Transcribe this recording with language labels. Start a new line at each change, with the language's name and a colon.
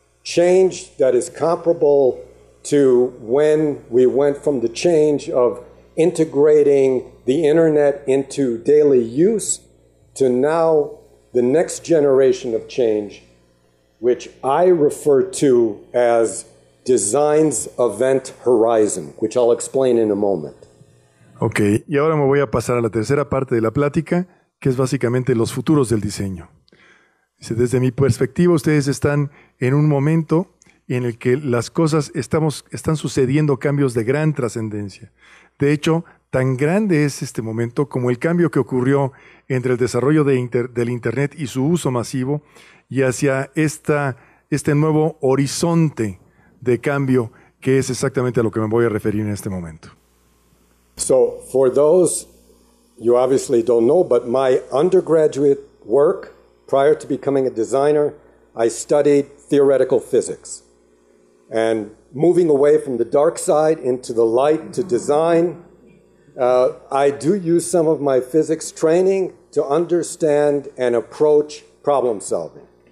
English: Change that is comparable to when we went from the change of integrating the internet into daily use to now the next generation of change, which I refer to as design's event horizon, which I'll explain in a moment.
Spanish: Okay, y ahora me voy a pasar a la tercera parte de la plática, que es básicamente los futuros del diseño. Desde mi perspectiva, ustedes están en un momento en el que las cosas están sucediendo cambios de gran trascendencia. De hecho, tan grande es este momento como el cambio que ocurrió entre el desarrollo del Internet y su uso masivo y hacia este nuevo horizonte de cambio, que es exactamente a lo que me voy a referir en este momento.
English: So, for those you obviously don't know, but my undergraduate work, prior to becoming a designer, I studied theoretical physics. And moving away from the dark side into the light to design, I do use some of my physics training to understand and approach problem solving.